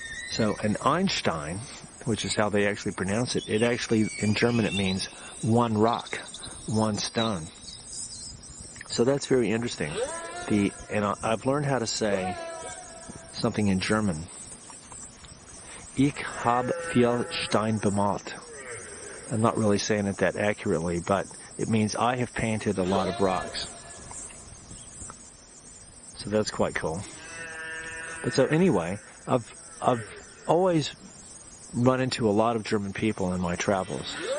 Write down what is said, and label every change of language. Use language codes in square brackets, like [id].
[en] So an Einstein, which is how they actually pronounce it, it actually, in German, it means one rock, one stone. So that's very interesting. I've learned how to say something in German. [de] Ich hab viel Stein bemalt. [en] I'm not really saying it that accurately, but it means I have painted a lot of rocks. So that's quite cool. But so anyway, I've always run into a lot of German people in my travels.